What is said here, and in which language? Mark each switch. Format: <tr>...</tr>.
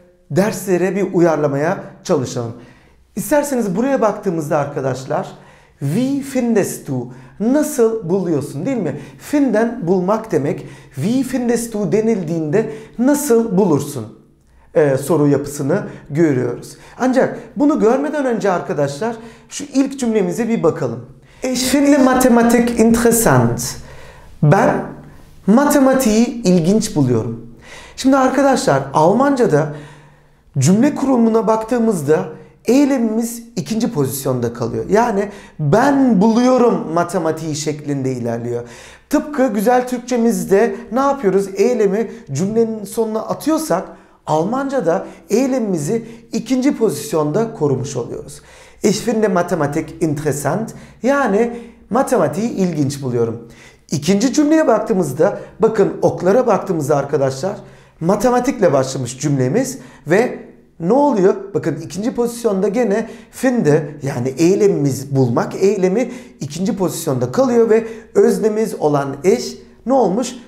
<tr>Derslere bir uyarlamaya çalışalım. İsterseniz buraya baktığımızda arkadaşlar</tr> <de>Wie findest du?</de> <tr>Nasıl buluyorsun değil mi? Finden bulmak demek.</tr> <de>Wie findest du</de> <tr>denildiğinde nasıl bulursun? Soru yapısını görüyoruz. Ancak bunu görmeden önce arkadaşlar şu ilk cümlemize bir bakalım.</tr> <de>Ich finde Mathematik interessant.</de> <tr>Ben matematiği ilginç buluyorum. Şimdi arkadaşlar Almanca'da Cümle kurulumuna baktığımızda eylemimiz ikinci pozisyonda kalıyor. Yani ben buluyorum matematiği şeklinde ilerliyor. Tıpkı güzel Türkçemizde ne yapıyoruz? Eylemi cümlenin sonuna atıyorsak Almanca'da eylemimizi ikinci pozisyonda korumuş oluyoruz.</tr> <de>Ich finde Mathematik interessant.</de> <tr>Yani matematiği ilginç buluyorum. İkinci cümleye baktığımızda bakın oklara baktığımızda arkadaşlar matematikle başlamış cümlemiz ve ne oluyor? Bakın ikinci pozisyonda gene finde yani eylemimiz bulmak eylemi ikinci pozisyonda kalıyor ve öznemiz olan eş ne olmuş?</tr>